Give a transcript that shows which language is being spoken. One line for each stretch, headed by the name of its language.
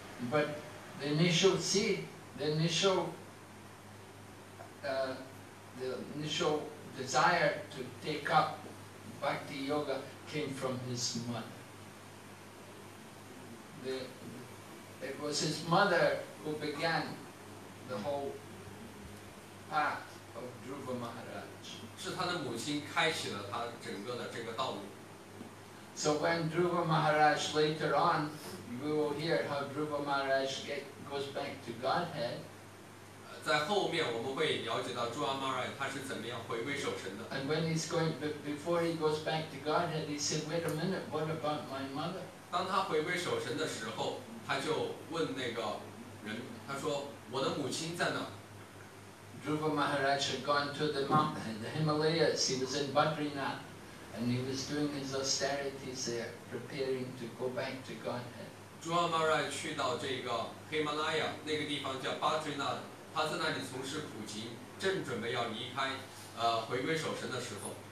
English: But the initial seed, the initial desire to take up bhakti yoga came from his mother. It was his mother who began the whole path of Dhruva Maharaj.
Chinese: 是他的母亲开启了他整个的这个道路。
English: So when Dhruva Maharaj later on, we will hear how Dhruva Maharaj goes back to Godhead.
Chinese: 在后面我们会了解到 Dhruva Maharaj 他是怎么样回归守神的。
English: And when he's going before he goes back to Godhead, he said, "Wait a minute, what about my mother?"
Chinese: 当他回归守神的时候，他就问那个人，他说：“我的母亲在哪？”
English: Dhruva Maharaj had gone to the mountain, the Himalayas. He was in Badrinath. And he was doing his austerities there, preparing to go back to Godhead.
Chinese: Dhruva Maharaj 去到这个 Himalaya 那个地方叫 Badrinath， 他在那里从事苦行，正准备要离开，回归守神的时候。